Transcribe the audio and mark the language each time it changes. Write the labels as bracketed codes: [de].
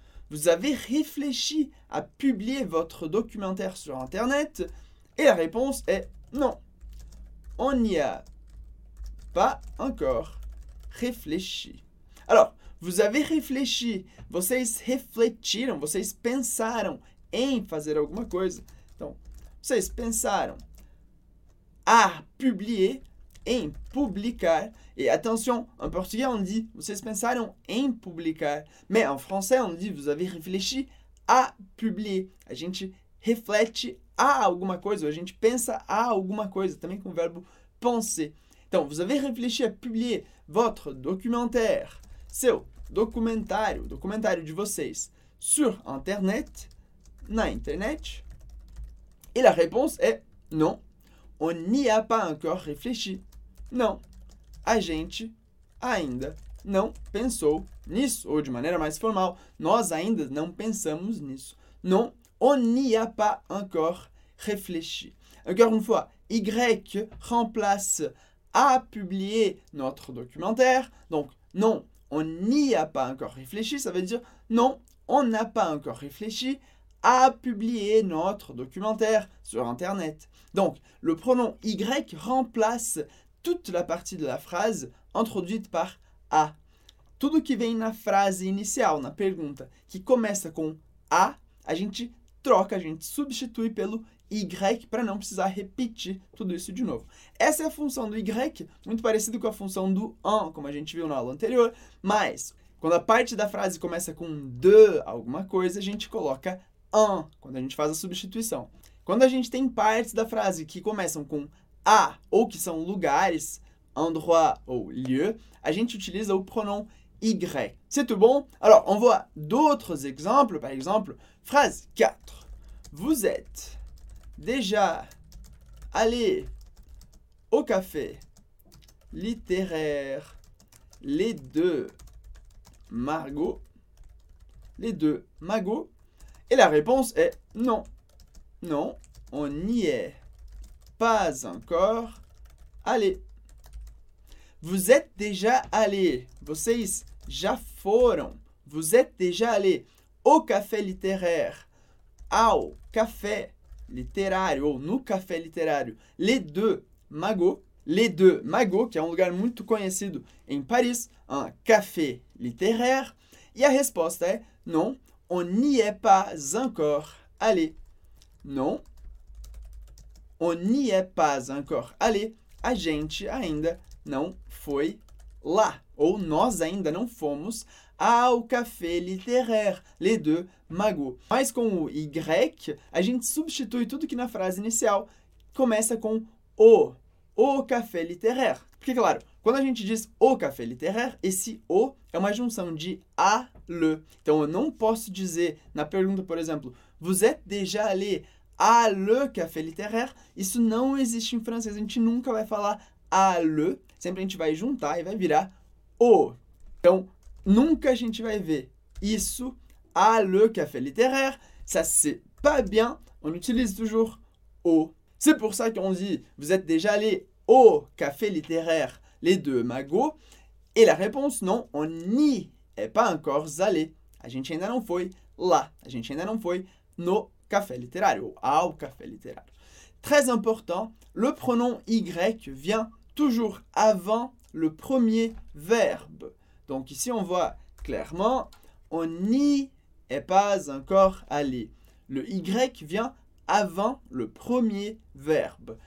[fr] Vous avez réfléchi à publier votre documentaire sur Internet. Et la réponse est non. On n'y a pas encore réfléchi. Alors, vous avez réfléchi. [pt] Vocês refletiram. Vocês pensaram em fazer alguma coisa. Então, vocês pensaram [fr] à publier, [pt] em publicar. [fr] Et attention, en portugais, on dit [pt] vocês pensaram em publicar. [fr] Mais en français, on dit vous avez réfléchi à publier. [pt] A gente reflete à alguma coisa. A gente pensa à alguma coisa. Também com o verbo penser. Então, [fr] vous avez réfléchi à publier votre documentaire. [pt] Seu documentário, o documentário de vocês, [fr] sur internet, [pt] na internet. [fr] E a réponse é non, on n'y a pas encore réfléchi. [pt] Non, a gente ainda não pensou nisso, ou de maneira mais formal, nós ainda não pensamos nisso. [fr] Non, on n'y a pas encore réfléchi. Encore une fois, Y remplace à publier notre documentaire, donc non. On n'y a pas encore réfléchi, ça veut dire non, on n'a pas encore réfléchi à publier notre documentaire sur Internet. Donc, le pronom Y remplace toute la partie de la phrase introduite par A. [pt] Tudo que vem na frase inicial, na pergunta, que começa com a gente troca, a gente substitui pelo Y para não precisar repetir tudo isso de novo. Essa é a função do Y, muito parecido com a função do an, como a gente viu na aula anterior, mas quando a parte da frase começa com de alguma coisa, a gente coloca an, quando a gente faz a substituição. Quando a gente tem partes da frase que começam com a, ou que são lugares, endroit ou lieu, a gente utiliza o pronom Y. [fr] C'est tout bon? Alors, on voit d'autres exemples, par exemple, phrase 4. Vous êtes déjà allé au café littéraire les deux magots. Et la réponse est non. Non, on n'y est pas encore allé. Vous êtes déjà allé. [pt] Vocês já foram. [fr] Vous êtes déjà allé au café littéraire. [pt] Ao café literário, ou no café literário, Les deux magots, que é um lugar muito conhecido em Paris, [fr] un café littéraire. [pt] E a resposta é [fr] non, on n'y est pas encore allé. Non, on n'y est pas encore allé. [pt] A gente ainda não foi lá, ou nós ainda não fomos ao café littéraire, les deux magots. Mas com o Y, a gente substitui tudo que na frase inicial começa com o café littéraire. Porque, claro, quando a gente diz o café littéraire, esse o é uma junção de a, le. Então, eu não posso dizer na pergunta, por exemplo, [fr] vous êtes déjà allé à le café littéraire? [pt] Isso não existe em francês, a gente nunca vai falar à le. Sempre a gente vai juntar e vai virar o. Então, nunca a gente vai ver isso à le café littéraire. [fr] Ça, c'est pas bien. On utilise toujours o. C'est pour ça qu'on dit vous êtes déjà allé au café littéraire, les deux magots. Et la réponse, non, on n'y est pas encore allé. [pt] A gente ainda não foi lá. A gente ainda não foi no café littéraire ou ao café littéraire. [fr] Très important, le pronom Y vient toujours avant le premier verbe. Donc ici, on voit clairement, on n'y est pas encore allé. Le Y vient avant le premier verbe.